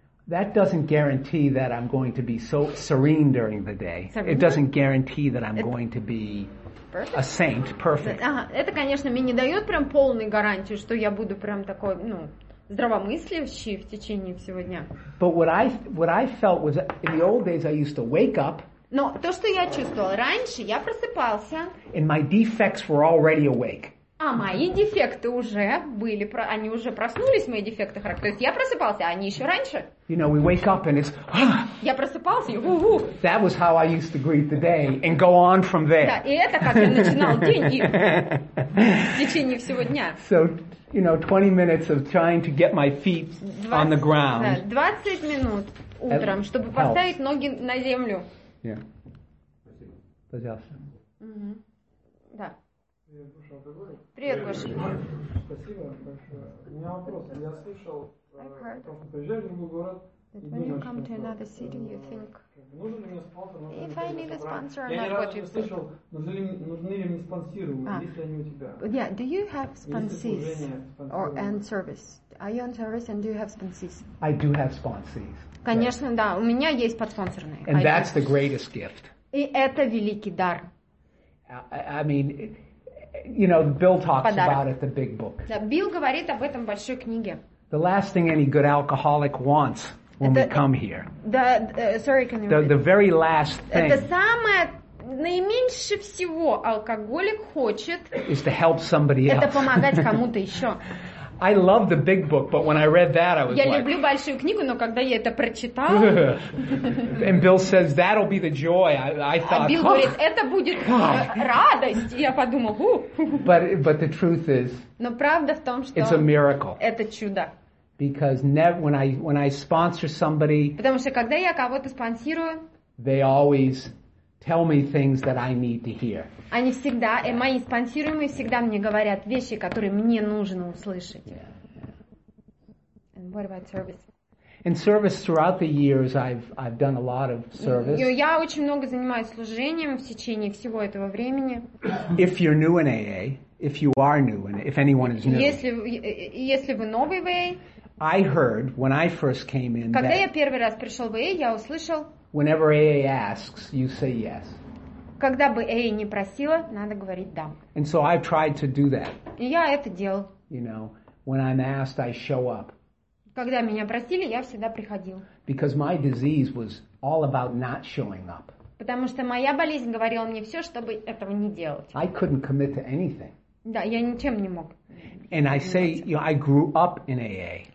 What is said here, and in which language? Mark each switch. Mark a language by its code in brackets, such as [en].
[en] That doesn't guarantee that I'm going to be so serene during the day. Serene? It doesn't guarantee that I'm going to be perfect? A saint, perfect. [ru] Ага, это, конечно, мне не даёт прям полной гарантии, что я буду прям такой, ну, здравомыслящий в течение всего дня. [en] But what I felt was that in the old days I used to wake up. [ru] Но то, что я чувствовал раньше, я просыпался. [en] And my defects were already awake. [ru] А мои дефекты уже были, они уже проснулись, мои дефекты характера. То есть я просыпался, а они еще раньше. [en] You know, we wake up and it's, [ru] я просыпался, и ву-ву. [en] That was how I used to greet the day and go on from there. [ru] Да, и это как я начинал день и в течение всего дня. [en] So, you know, 20 minutes of trying to get my feet 20, on the ground. [ru] Да, 20 минут утром, [en] that [ru] чтобы [en] helps. [ru] Поставить ноги на землю. [en] Yeah. [ru] Пожалуйста. Да. Привет, Гоша. Спасибо большое. У меня вопрос. Я слышал, потому что приезжаешь в другой город, [en] If I need a sponsor or not, what you think? Yeah, do you have sponsors or and service? Are you on service and do you have sponsors? I do have sponsors. [ru] Конечно, да. У меня есть подспонсорные. [en] And that's the greatest gift. [ru] И это великий дар. [en] I mean, you know, Bill talks about it, the big book. [ru] Да, Билл говорит об этом в большой книге. [en] The last thing any good alcoholic wants. When the, we come here. Sorry, can you... The very last thing... [ru] Это самое... Наименьше всего алкоголик хочет... [en] Is to help somebody else. [ru] Это помогать кому-то еще. [en] I love the big book, but when I read that, I was [ru] я [en] like... [ru] Я люблю большую книгу, но когда я это прочитал... [en] And Bill says, that'll be the joy. I thought... [ru] А Билл говорит, это будет радость. Я подумал... [en] But the truth is... [ru] Но правда в том, что... [en] It's a miracle. [ru] Это чудо. [en] Because never when I sponsor somebody, [ru] потому что когда я кого-то спонсирую, [en] they always tell me things that I need to hear. [ru] Они всегда, и мои спонсируемые всегда мне говорят вещи, которые мне нужно услышать. [en] Yeah. And what about service? In service throughout the years, I've done a lot of service. [ru] Я очень много занимаюсь служением в течение всего этого времени. [en] If you're new in AA, if you are new, and if anyone is new, [ru] если вы новый в AA. [en] I heard when I first came in. [ru] Когда [en] that [ru] я первый раз пришел в AA, я услышал. [en] Whenever AA asks, you say yes. [ru] Когда бы AA не просила, надо говорить да. [en] And so I've tried to do that. [ru] И я это делал. [en] You know, when I'm asked, I show up. [ru] Когда меня просили, я всегда приходил. [en] Because my disease was all about not showing up. [ru] Потому что моя болезнь говорила мне все, чтобы этого не делать. [en] I couldn't commit to anything. [ru] Да, я ничем не мог. [en] And I say, you know, I grew up in AA.